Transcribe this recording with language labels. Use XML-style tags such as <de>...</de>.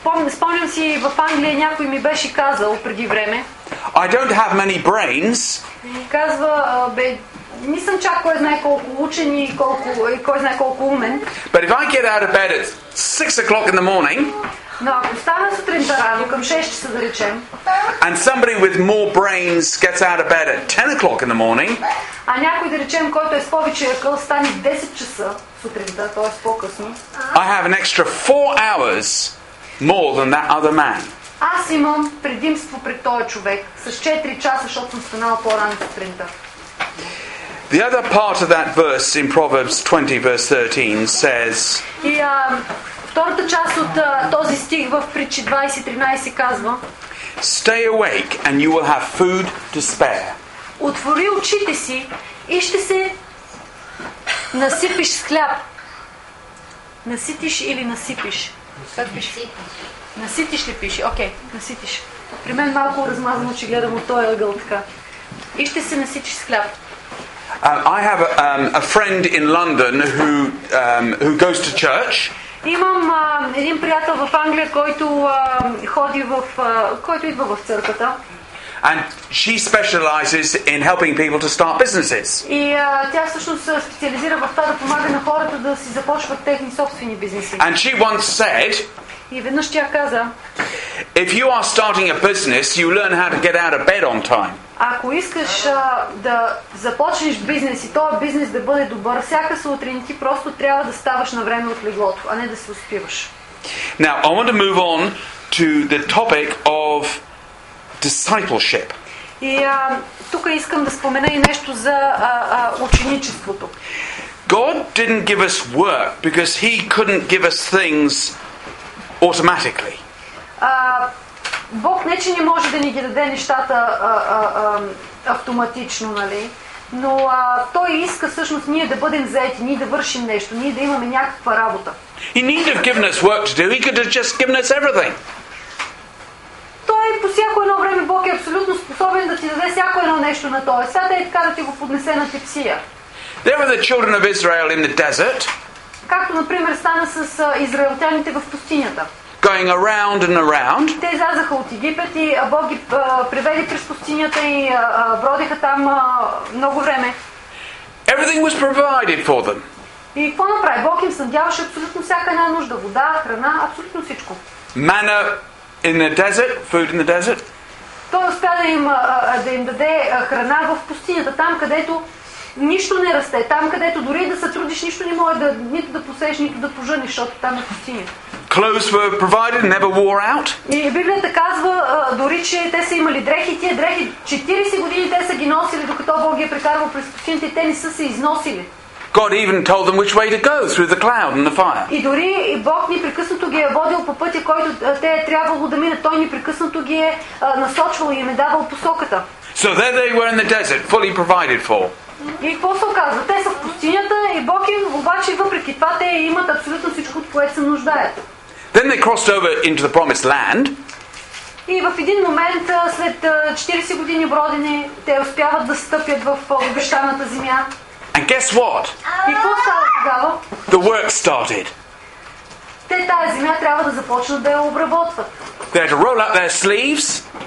<bg>Спомням си в Англия някой ми беше казал преди време.</bg> <en>I don't have many brains.</en> <bg>Казва, не съм чак кой знае колко учен и колко кой знае колко умен.</bg> <en>But if I get out of bed at 6 o'clock in the morning.</en> <bg>Но ако стана сутринта рано към 6 часа да речем.</bg> <en>And somebody with more brains gets out of bed at 10 o'clock in the morning.</en> <bg>А някой да речем, който е с повече акъл, стане 10 часа сутринта, т.е. по-късно.</bg> <en>I have an extra 4 hours more than that other man.</en> <bg>Аз имам предимство пред този човек с 4 часа, защото съм станал по-рано сутринта.</bg> <en>The other part of that verse in Proverbs 20 verse 13 says.</en> <bg>И втората част от този стих в Притчи 20:13 казва.</bg> <en>Stay awake and you will have food to spare.</en> <bg>Отвори очите си и ще се насипиш с хляб. Наситиш или насипиш? Наситиш ли пише? Окей, наситиш. При мен малко размазано, че гледам от този ъгъл така. И ще се наситиш с хляб.</bg> <en>I have a friend in London who goes to church.</en> <bg>Имам един приятел в Англия, който ходи в който идва в църквата.</bg> <en>And she specializes in helping people to start businesses.</en> <bg>И тя всъщност се специализира в това да помага на хората да си започват техни собствени бизнеси.</bg> <en>And she once said.</en> <bg>И веднъж тя каза.</bg> <en>If you are starting a business, you learn how to get out of bed on time.</en> <bg>Ако искаш да започнеш бизнес и този бизнес да бъде добър, всяка сутрин ти просто трябва да ставаш на време от леглото, а не да се успиваш.</bg> <en>Now, I want to move on to the topic of discipleship.</en> <bg>И тук искам да спомена и нещо за ученичеството.</bg> <en>God didn't give us work because he couldn't give us things automatically.</en> <bg>Бог не че не може да ни ги даде нещата автоматично, нали? Но Той иска всъщност ние да бъдем заети, ние да вършим нещо, ние да имаме някаква работа.</bg> <en>He needn't have given us work to do. He could have just given us everything.</en> <bg>Той по всяко едно време Бог е абсолютно способен да ти даде всяко едно нещо на тоя. Сега да е така да ти го поднесе на тепсия.</bg> <en>There were the children of Israel in the desert.</en> <bg>Както, например, стана с израелтяните в пустинята.</bg> <en>Going around and around.</en> <bg>Те излязаха от Египет и Бог ги преведе през пустинята и бродиха там много време.</bg> <en>Everything was provided for them.</en> <bg>И какво направи? Бог им снабдяваше абсолютно всяка една нужда, вода, храна, абсолютно всичко.</bg> <en>Manna in the desert, food in the desert.</en> <bg>Той успя да им даде храна в пустинята, там където нищо не расте, там където дори да се трудиш, нищо не може да нито да посееш, нито да пожениш, защото там е пустиня.</bg> <en>Clothes were provided, never wore out.</en> <bg>И Библията казва, дори че те са имали дрехи, тия дрехи 40 години те са ги носили, докато Бог ги е прекарвал през пустинята и те не са се износили.</bg> <en>God even told them which way to go through the cloud and the fire.</en> <bg>И дори Бог непрекъснато ги е водил по пътя, който те е трябвало да минат. Той непрекъснато ги е насочвал и им е давал посоката.</bg> <en>So there they were in the desert, fully provided for.</en> <bg>И какво се оказва? Те са в пустинята и Бог им, обаче въпреки това те имат абсолютно всичко, от което се нуждаят.</bg> <en>Then they crossed over into the promised land.</en> <bg>И в един момент, след 40 години бродене, те успяват да стъпят в обещаната земя.</bg> <en>And guess what?</en> <bg>И какво става тогава?</bg> <en>The work started.</en> <bg>Те тази земя трябва да започнат да я обработват.</bg> <en>They had to roll up their sleeves.</en>